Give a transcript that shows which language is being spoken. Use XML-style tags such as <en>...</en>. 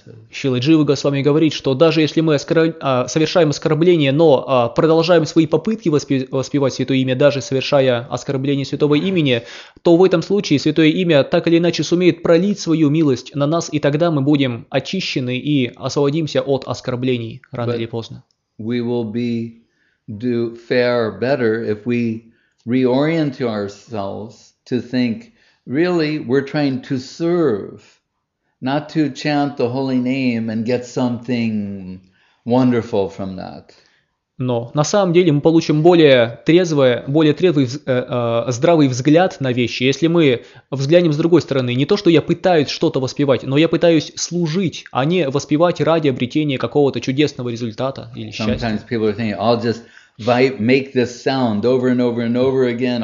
<ru>Шрила Джива Госвами говорит, что даже если мы совершаем оскорбление, но продолжаем свои попытки воспевать святое имя, даже совершая оскорбление святого имени, то в этом случае святое имя так или иначе сумеет пролить свою милость на нас, и тогда мы будем очищены и освободимся от оскорблений рано или поздно.</ru> <en>We will be do fare better if we reorient ourselves to think, really, we're trying to serve. Not to chant the holy name and get something wonderful from that.</en> <ru>Но на самом деле мы получим более трезвый, здравый взгляд на вещи, если мы взглянем с другой стороны. Не то, что я пытаюсь что-то воспевать, но я пытаюсь служить, а не воспевать ради обретения какого-то чудесного результата или</ru> <en>Sometimes</en> <ru>счастья.</ru> <en>Sometimes people are thinking, I'll just make this sound over and over and over again.</en>